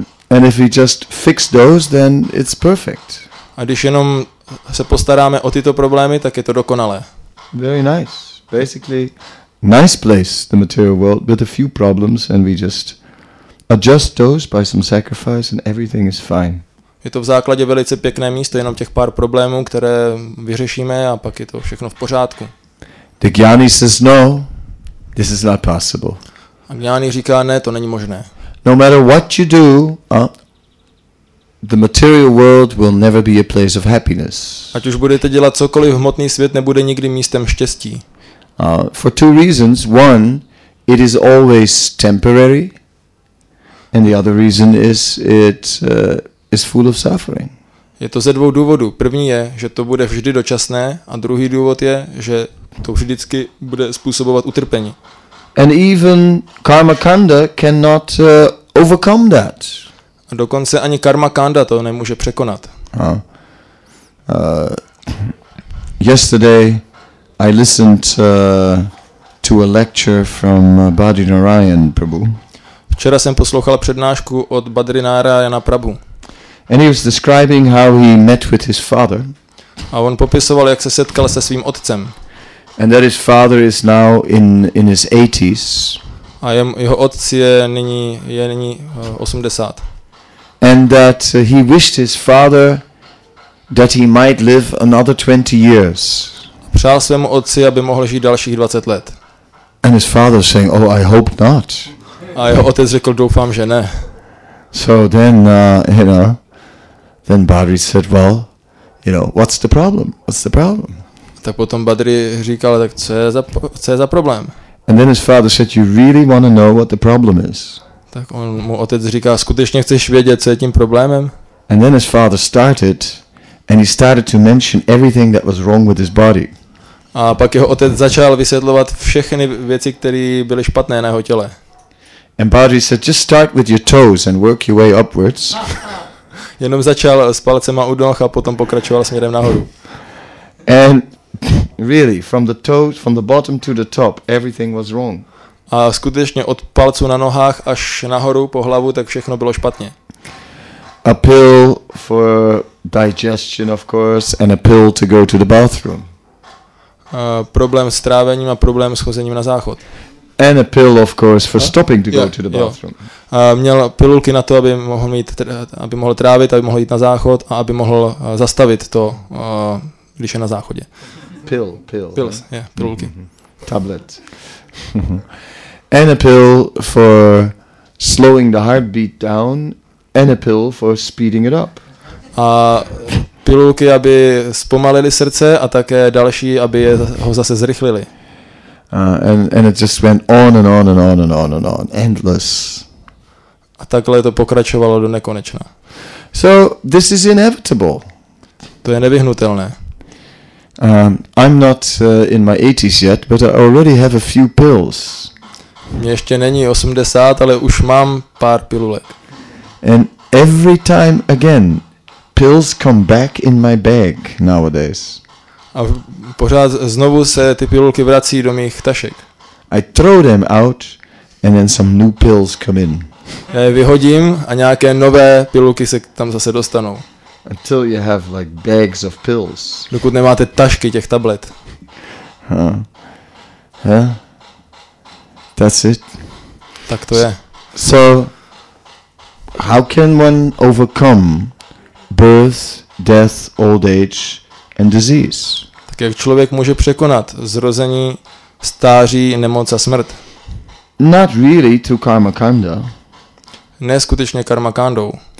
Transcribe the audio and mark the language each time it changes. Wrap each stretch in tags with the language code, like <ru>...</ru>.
<en>And if we just fix those, then it's perfect.</en> <cs>A když jenom se postaráme o tyto problémy, tak je to dokonalé.</cs> <en>Very nice. Basically, nice place, the material world, with a few problems, and we just adjust those by some sacrifice, and everything is fine.</en> <cs>Je to v základě velice pěkné místo, jenom těch pár problémů, které vyřešíme, a pak je to všechno v pořádku.</cs> <en>The Gyani says, no, this is not possible.</en> <cs>A Gyani říká, ne, to není možné.</cs> <en>No matter what you do, the material world will never be a place of happiness.</en> <cs>Ať už budete dělat cokoliv, hmotný svět nebude nikdy místem štěstí.</cs> <en>For two reasons. One, it is always temporary. And the other reason is it is full of suffering.</en> <cs>Je to ze dvou důvodů. První je, že to bude vždy dočasné, a druhý důvod je, že to vždycky bude způsobovat utrpení.</cs> <en>And even karma kanda cannot overcome that.</en> <cs>A dokonce ani karma kanda to nemůže překonat.</cs> <en>Yesterday I listened to a lecture from Badri Narayan Prabhu.</en> <cs>Včera jsem poslouchal přednášku od Badri Narayana Prabhu.</cs> <en>And he was describing how he met with his father.</en> <cs>A on popisoval, jak se setkal se svým otcem.</cs> <en>And that his father is now in his 80s.</en> <cs>A jeho otec je nyní 80.</cs> <en>And that he wished his father that he might live another 20 years.</en> <cs>Přál svému otci, aby mohl žít dalších 20 let.</cs> <en>And his father saying, "Oh, I hope not."</en> <cs>A jeho otec řekl, doufám, že ne.</cs> <en>So then, then Badri said, "Well, what's the problem? What's the problem?"</en> <cs>Tak potom Badri říkal, tak co je za problém?</cs> <en>And then his father said, "You really want to know what the problem is?"</en> <cs>Tak on mu otec říká, skutečně chceš vědět, co je tím problémem?</cs> <en>And then his father started, and he started to mention everything that was wrong with his body.</en> <cs>A pak jeho otec začal vysvětlovat všechny věci, které byly špatné na jeho těle.</cs> <en>And Badri said, "Just start with your toes and work your way upwards."</en> <cs>Jenom začal s palcema u noh a potom pokračoval směrem nahoru.</cs> <en>And really, from the toes, from the bottom to the top, everything was wrong.</en> <cs>A skutečně od palců na nohách až nahoru po hlavu, tak všechno bylo špatně.</cs> <en>A pill for digestion, of course, and a pill to go to the bathroom.</en> <cs>Problém s trávením a problém s chozením na záchod.</cs> <en>And a pill, of course, for stopping to go to the bathroom.</en> <cs>Měl pilulky na to, aby mohl trávit, aby mohl jít na záchod a aby mohl zastavit to, když je na záchodě.</cs> <en>Pills, yeah,</en> <cs>pilulky.</cs> <en>Mm-hmm. Tablet. And a pill for slowing the heartbeat down. And a pill for speeding it up.</en> <cs>A pilulky, aby zpomalili srdce, a také další, aby ho zase zrychlili.</cs> <en>And it just went on and on and on and on and on, endless.</en> <cs>A takhle to pokračovalo do nekonečna.</cs> <en>So this is inevitable.</en> <cs>To je nevyhnutelné.</cs> <en>I'm not in my 80s yet, but I already have a few pills.</en> <cs>Mně ještě není 80, ale už mám pár pilulek.</cs> <en>And every time again, pills come back in my bag nowadays.</en> <cs>A pořád znovu se ty pilulky vrací do mých tašek.</cs> <en>I throw them out, and then some new pills come in.</en> <cs>Já je vyhodím a nějaké nové pilulky se tam zase dostanou.</cs> <en>Until you have like bags of pills.</en> <cs>Dokud nemáte tašky těch tablet.</cs> <en>That's it.</en> <cs>Tak to je.</cs> <en>So how can one overcome birth, death, old age and disease?</en> <cs>Tak jak člověk může překonat zrození, stáří, nemoc a smrt?</cs> <en>Not really to karma kanda.</en> <cs>Ne skutečně karma kandou.</cs>